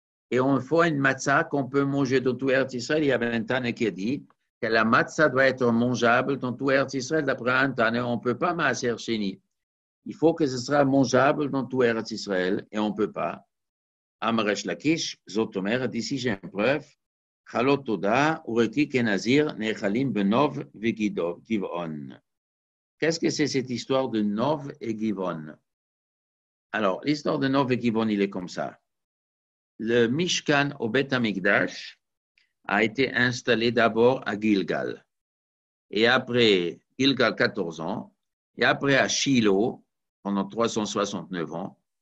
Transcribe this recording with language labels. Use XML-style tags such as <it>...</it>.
<fr>Et on faut une matzah qu'on peut manger dans tout Eretz Israël. Il y avait un tane qui a dit que la matzah doit être mangeable dans tout Eretz Israël. D'après un tane, on ne peut pas maaser chini. Il faut que ce soit mangeable dans tout Eretz Israël et on ne peut pas. Amresh Lakish, Zotomer, d'ici j'ai une preuve.</fr> <he>חלות תודה, וראיתי כנזיר נאכלים בנוב וגבעון.</he> <fr>Qu'est-ce que c'est cette histoire de Nov et Givon? Alors, l'histoire de Nov et Givon, il est comme ça. Le Mishkan au Beth Amikdash a été installé d'abord à Gilgal. Et après Gilgal, 14 ans. Et après à Shiloh, pendant 369 ans.</fr>